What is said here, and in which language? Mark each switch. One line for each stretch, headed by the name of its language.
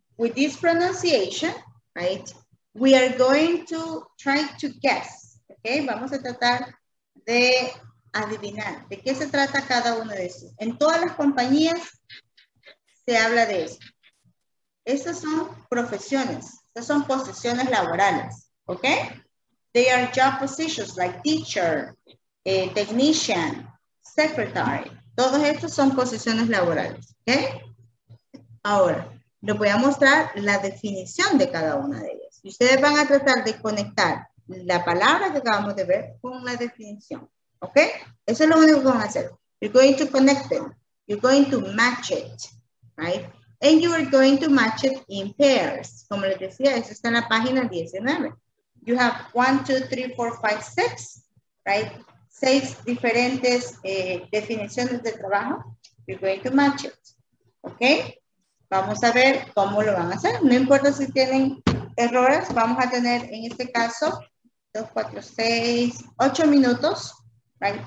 English: With this pronunciation, right, we are going to try to guess. Okay.
Spanish: Vamos a tratar de adivinar de qué se trata cada uno de estos. En todas las compañías se habla de eso. Estas son profesiones. Estas son posiciones laborales. Okay.
English: They are job positions like teacher, technician, secretary.
Spanish: Todos estos son posiciones laborales. Okay? Ahora, les voy a mostrar la definición de cada una de ellas. Ustedes van a tratar de conectar la palabra que acabamos de ver con la definición. Okay? Eso es lo único que van a hacer.
English: You're going to connect them. You're going to match it. Right? And you are going to match it in pairs.
Spanish: Como les decía, eso está en la página 19.
English: You have 1, 2, 3, 4, 5, 6, right?
Spanish: 6 diferentes definiciones de trabajo.
English: You're going to match it, okay?
Spanish: Vamos a ver cómo lo van a hacer. No importa si tienen errores, vamos a tener en este caso 2, 4, 6, 8 minutos, right?